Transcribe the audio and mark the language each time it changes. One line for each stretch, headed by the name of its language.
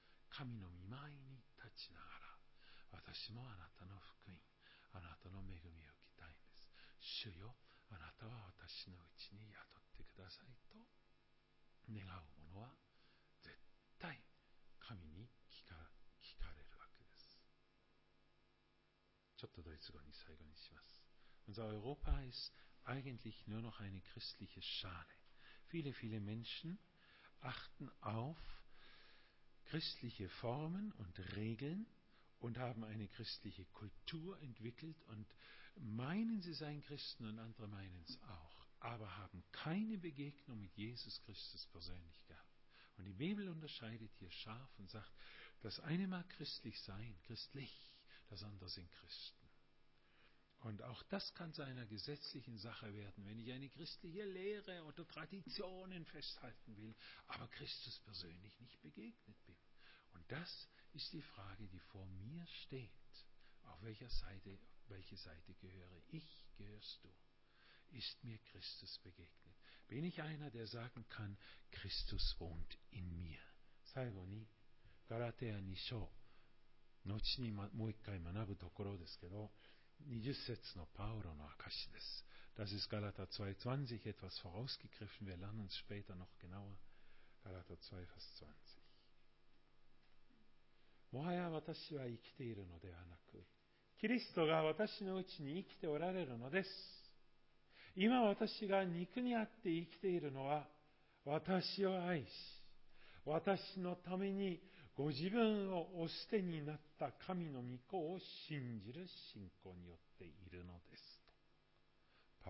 Japanese: 神の御前に立ちながら、私もあなたの福音、あなたの恵みを受けたいんです。主よ、あなたは私のうちに宿ってくださいと願う者は、絶対神に聞かれるわけです。ちょっとドイツ語に最後にします。
German: Unser Europa ist eigentlich nur noch eine christliche Schale. Viele, viele Menschen achten auf christliche Formen und Regeln und haben eine christliche Kultur entwickelt und meinen, sie seien Christen und andere meinen es auch, aber haben keine Begegnung mit Jesus Christus persönlich gehabt. Und die Bibel unterscheidet hier scharf und sagt, das eine mag christlich sein, christlich, das andere sind Christen. Und auch das kann zu einer gesetzlichen Sache werden, wenn ich eine christliche Lehre oder Traditionen festhalten will, aber Christus persönlich nicht begegnet bin. Und das ist die Frage, die vor mir steht. Auf welcher Seite, welche Seite gehöre ich, gehörst du? Ist mir Christus begegnet? Bin ich einer, der sagen kann, Christus wohnt in mir?
Japanese: 最後に、Galatia 2章、後にもう一回学ぶところですけど、20節のパウロの証です。
German: Das ist Galater 2,20 etwas vorausgegriffen. Wir lernen es später noch genauer. Galater 2, Vers 20.
Japanese: もはや私は生きているのではなく、キリストが私のうちに生きておられるのです。今私が肉にあって生きているのは、私を愛し、私のためにご自分をお捨てになった神の御子を信じる信仰によっているのですと。